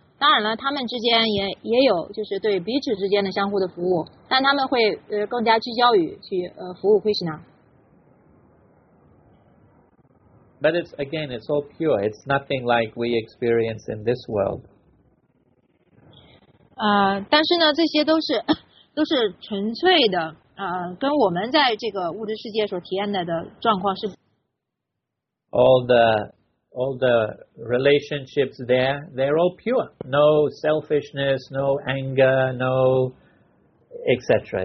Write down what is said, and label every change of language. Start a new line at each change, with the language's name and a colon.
Chinese: 当然了，他们之间也有就是对彼此之间的相互的服务，但他们会更加聚焦于去服务 Krishna。
English: But it's again, it's all pure. It's nothing like we experience in this world.
Chinese: 但是呢，这些都是纯粹的，跟我们在这个物质世界所体验的状况是。
English: All the relationships there, they're all pure. No selfishness, no anger, no etc.